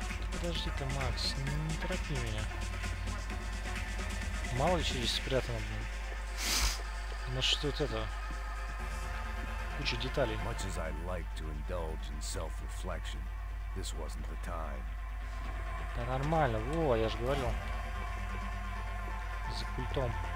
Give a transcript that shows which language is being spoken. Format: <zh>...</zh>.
<ru>Подожди, ты, Макс, не торопи меня. Мало ли что здесь спрятано, блин. Ну что это? Куча деталей.</ru> <en>Much as I like to indulge in self-reflection, this wasn't the time.</en> <ru>Да нормально, во, я же говорил. За культом.</ru>